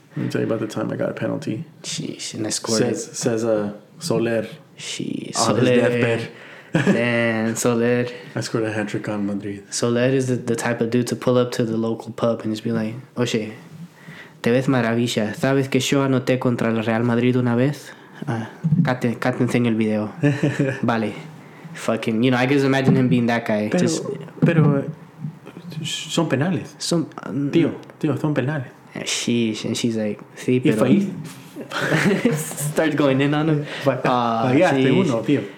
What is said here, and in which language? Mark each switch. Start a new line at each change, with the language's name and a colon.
English: Let me tell you about the time I got a penalty. Sheesh, and I scored. Says Soler. Sheesh, Soler. Man, Soler. I scored a hat trick on Madrid. Soler is the type of dude to pull up to the local pub and just be like,
Spanish: "Oye, te ves maravilla. Sabes que yo anoté contra el Real Madrid una vez." Cat enseño el video. Vale.
English: Fucking, you know, I just imagine him being that guy.
Spanish: Pero son penales. Tío, son penales.
English: And she's like,
Spanish: sí, pero. Y
English: starts going in on him.
Spanish: Tío.